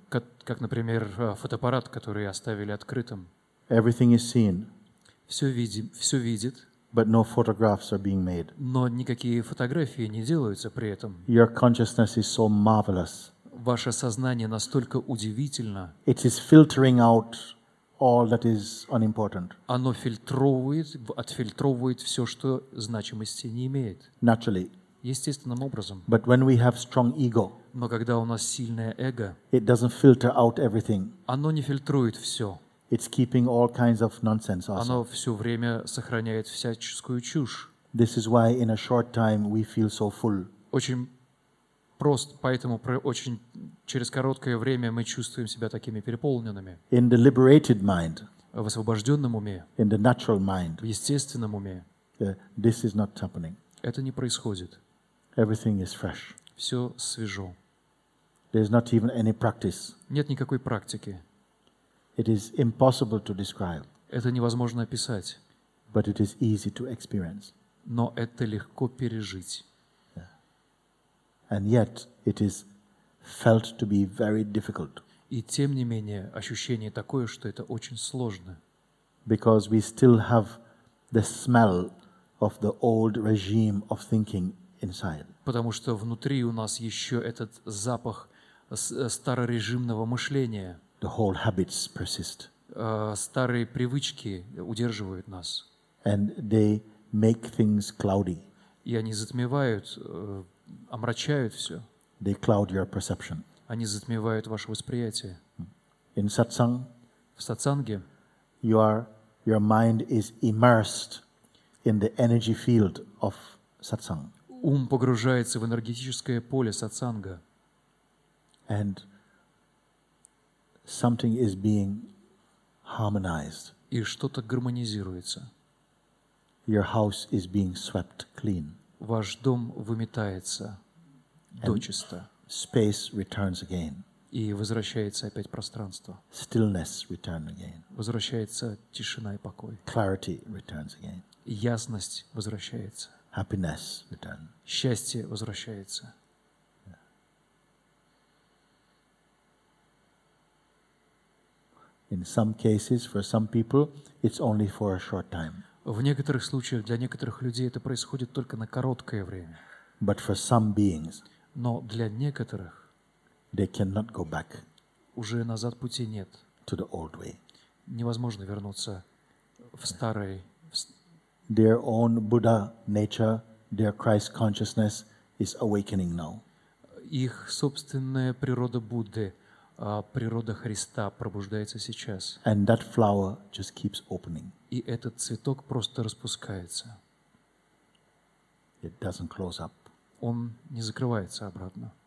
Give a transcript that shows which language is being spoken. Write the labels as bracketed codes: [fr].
[ru] Как, например, фотоаппарат, который оставили открытым. [en] Everything is seen. [ru] Все видит. [en] But no photographs are being made. [ru] Но никакие фотографии не делаются при этом. [en] Your consciousness is so marvelous. [ru] Ваше сознание настолько удивительно. [en] It is filtering out all that is unimportant. [ru] Оно фильтровывает, отфильтровывает все, что значимости не имеет. [en] Naturally. [ru] Естественным образом. [en] But when we have strong ego, [ru] но когда у нас сильное эго, [en] it doesn't filter out everything. [ru] Оно не фильтрует все. [en] It's keeping all kinds of nonsense also. [ru] Оно все время сохраняет всяческую чушь. [en] This is why in a short time we feel so full. [ru] Очень просто, поэтому очень через короткое время мы чувствуем себя такими переполненными. [en] In the liberated mind, [ru] в освобожденном уме, [en] in the natural mind, [ru] в естественном уме, [en] this is not happening. [ru] Это не происходит. [en] Everything is fresh. [ru] Все свежо. [en] There's not even any practice. [ru] Нет никакой практики. [en] It is impossible to describe. [ru] Это невозможно описать. [en] But it is easy to experience. [ru] Но это легко пережить. Yeah. [en] And yet it is felt to be very difficult. [ru] И тем не менее ощущение такое, что это очень сложно. [en] Because we still have the smell of the old regime of thinking inside. [ru] Потому что внутри у нас еще этот запах старорежимного мышления. [en] The whole habits persist. [ru] Старые привычки удерживают нас. [en] And they make things cloudy. [ru] И они затмевают, омрачают все. [en] They cloud your perception. [ru] Они затмевают ваше восприятие. [en] In satsang, [ru] в сатсанге, [en] your mind is immersed in the energy field of satsang. [ru] Ум погружается в энергетическое поле сатсанга. [en] And something is being harmonized. [ru] И что-то гармонизируется. [en] Your house is being swept clean. [ru] Ваш дом выметается дочисто. [en] Space returns again. [ru] И возвращается опять пространство. [en] Stillness returns again. [ru] Возвращается тишина и покой. [en] Clarity returns again. [ru] Ясность возвращается. [en] Happiness returns. [ru] Счастье возвращается. [en] In some cases, for some people, it's only for a short time. [ru] В некоторых случаях для некоторых людей это происходит только на короткое время. [en] But for some beings, [ru] но для некоторых, [en] they cannot go back. [ru] Уже назад пути нет. [en] To the old way. [ru] Невозможно вернуться в старый. [en] Their own Buddha nature, their Christ consciousness is awakening now. [ru] Их собственная природа Будды. Природа Христа пробуждается сейчас. [en] And that flower just keeps opening. [ru] И этот цветок просто распускается. [en] It doesn't close up. [ru] Он не закрывается обратно.